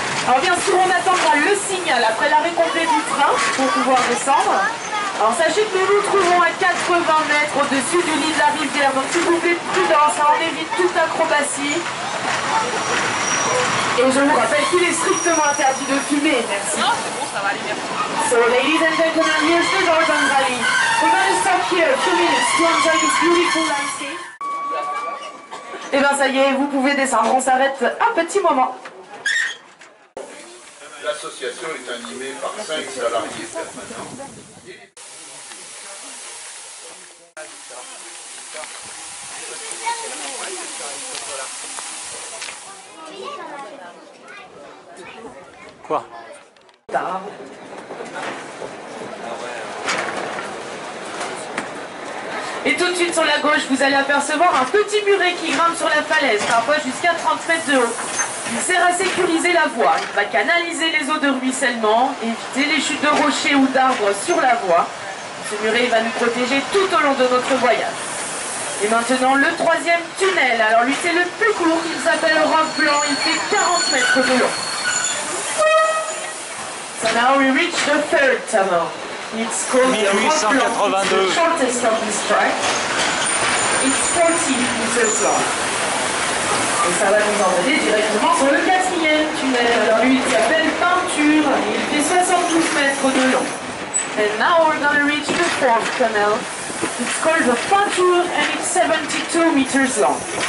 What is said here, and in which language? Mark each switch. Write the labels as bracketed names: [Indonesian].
[French] Alors bien sûr on attendra le signal après l'arrêt complet du train pour pouvoir descendre. Alors sachez que nous nous trouvons à 80 mètres au-dessus du lit de la rivière, donc s'il vous plaît prudence, hein, on évite toute acrobatie. Et je vous rappelle qu'il est strictement interdit de fumer. Merci. Non, c'est bon, ça va aller bien. [English] So, ladies and gentlemen, here's the Northern Valley. We're going to stop here a few minutes to enjoy this beautiful landscape. [French] Et ben ça y est, vous pouvez descendre. On s'arrête un petit moment. L'association est animée par 5 salariés permanents. Quoi? Et tout de suite sur la gauche, vous allez apercevoir un petit muret qui grimpe sur la falaise, parfois jusqu'à 30 mètres de haut. Il sert à sécuriser la voie, il va canaliser les eaux de ruissellement, éviter les chutes de rochers ou d'arbres sur la voie. Ce muret va nous protéger tout au long de notre voyage. Et maintenant, le troisième tunnel. Alors lui, c'est le plus court, il s'appelle Roc Blanc, il fait 40 mètres de long. [English] So now we reach the third tunnel. It's called the Roc Blanc, it's the shortest of this track. It's 40 meters long. [French] Et ça va nous emmener directement sur le quatrième tunnel. Alors lui, il s'appelle Peinture, il fait 72 mètres de long. [English] And now we're gonna reach the fourth tunnel. It's called the Peinture and it's 72 meters long.